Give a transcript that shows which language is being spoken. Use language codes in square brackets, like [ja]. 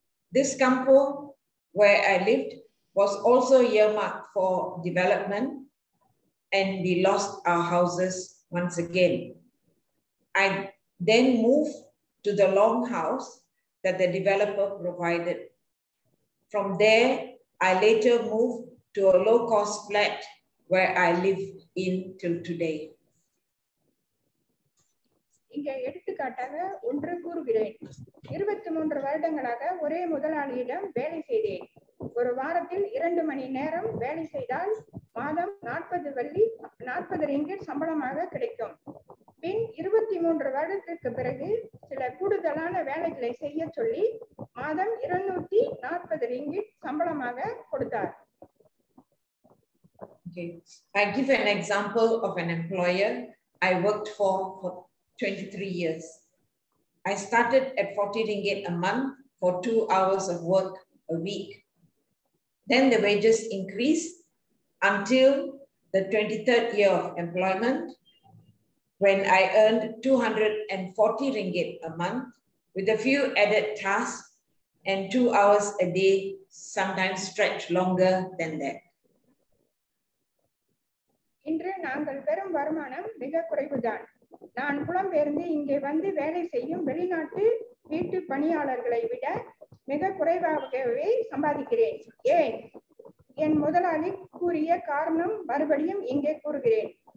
[en] This kampo where I lived was also earmarked for development, and we lost our houses once again. I then moved to the long house that the developer provided. From there, I later moved to a low-cost flat where I live in till today. [ta] இங்க எடுத்துக்காட்டாக ஒன்று கூறுகிறேன். 23 வருடங்களாக ஒரே முதலாளியிடம் வேலை செய்தேன். ஒரு வாரத்தில் 2 மணி நேரம் வேலை செய்தால் மாதம் 40 ரிங்கிட் சம்பளமாக கிடைக்கும். பின் 23 வருடத்திற்கு பிறகு சில கூடுதலான வேலைகளை செய்ய சொல்லி மாதம் 240 ரிங்கிட் சம்பளமாக கொடுத்தார். [en] Okay. I give an example of an employer I worked for 23 years. I started at 40 ringgit a month for 2 hours of work a week. Then the wages increased until the 23rd year of employment, when I earned 240 ringgit a month with a few added tasks and 2 hours a day, sometimes stretched longer than that. [ta] இன்று நாங்கள் பெறும் வருமானம் மிக குறைவுதான். நான் புலம்பெயர்ந்து இங்கே வந்து வேலை செய்யும் வெளிநாட்டு வீட்டு பணியாளர்களை விட மிக குறைவாகவே சம்பாதிக்கிறேன். ஏன்? என் முதலாளி கூறிய காரணம் மறுபடியும் இங்கே கூறுகிறேன்.